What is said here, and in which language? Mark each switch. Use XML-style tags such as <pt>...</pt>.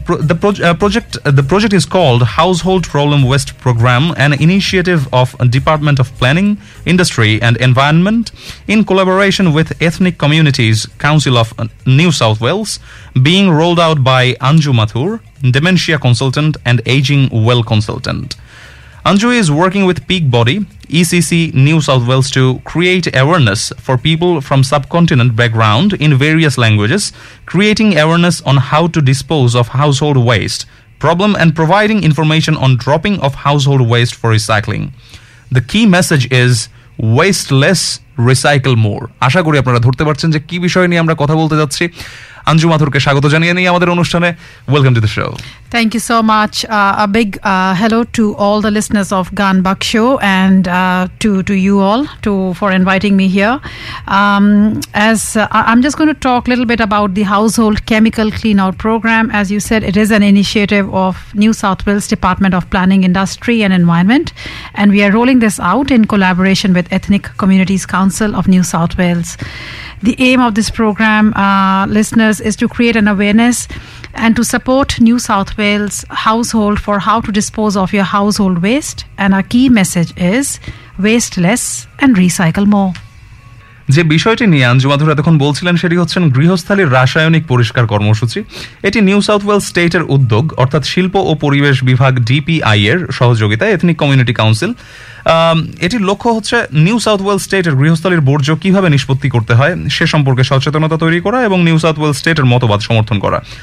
<en>The project is called household problem waste programme, an initiative of department of planning industry and environment in collaboration with ethnic communities council of New South Wales, being rolled out by Anju Mathur, dementia consultant and ageing well consultant. Anju is working with Peak Body, ECC New South Wales, to create awareness for people from subcontinent background in various languages, creating awareness on how to dispose of household waste problem, and providing information on dropping of household waste for recycling. The key message is waste less, recycle more.</en> <bn>আশা করি আপনারা ধরতে পারছেন যে কি বিষয় নিয়ে আমরা কথা বলতে যাচ্ছি। অঞ্জু মাথুরকে স্বাগত জানিয়ে নিই আমাদের অনুষ্ঠানে।</bn> <en>Welcome to the show. Thank you so much. A big hello to all the listeners of Ganbaksho and to you all for inviting me here. I'm just going to talk a little bit about the household chemical clean out program. As you said, it is an initiative of New South Wales Department of Planning, Industry and Environment, and we are rolling this out in collaboration with Ethnic Communities Council of New South Wales. The aim of this program, listeners, is to create an awareness and to support New South Wales household for how to dispose of your household waste. And our key message is waste less and recycle more.</en> <bn>যে বিষয়টি নিয়ে আঞ্জুমাধুরা তখন বলছিলেন সেটি হচ্ছেন গৃহস্থালীর রাসায়নিক পরিষ্কার কর্মসূচি। এটি নিউ সাউথ ওয়েলস স্টেটের উদ্যোগ, অর্থাৎ শিল্প ও পরিবেশ বিভাগ DPI এর সহযোগিতায় এথনিক কমিউনিটি কাউন্সিল। এটির লক্ষ্য হচ্ছে নিউ সাউথ ওয়েলস স্টেটের গৃহস্থালীর বর্জ্য কিভাবে নিষ্পত্তি করতে হয় সে সম্পর্কে সচেতনতা তৈরি করা এবং নিউ সাউথ ওয়েলস স্টেটের মতবাদ সমর্থন করা।</bn>